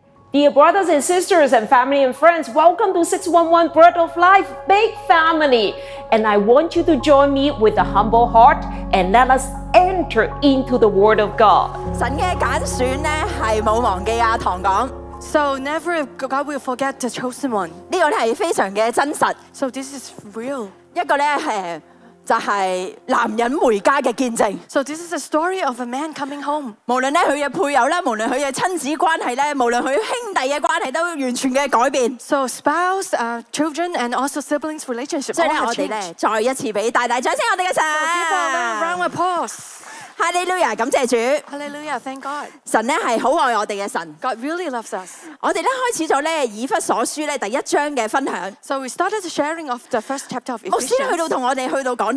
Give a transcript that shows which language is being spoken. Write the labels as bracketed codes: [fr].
[en] Dear brothers and sisters and family and friends, welcome to 611 Bread of Life, Big Family. And I want you to join me with a humble heart and let us enter into the Word of God. [zh] 神的拣选是没忘记阿堂讲。 [en] So never God will forget the chosen one. [zh] 这个是非常的真实。 [en] So this is real. [zh] 一个就是男人回家的见证。 [en] So this is a story of a man coming home. [zh] 无论他的配偶，无论他的亲子关系，无论他兄弟的关系，都完全的改变。 [en] So spouse, children, and also siblings relationship all have changed. [zh] 再一次给大大掌声我们的神。 [en] So give all a round of applause. [zh] Hallelujah, 感謝主。 [en] Hallelujah, thank God. [zh] 神是很愛我們的神。 [en] God really loves us. [zh] 我們開始了以弗所書第一章的分享。 [en] So we started the sharing of the first chapter of Ephesians.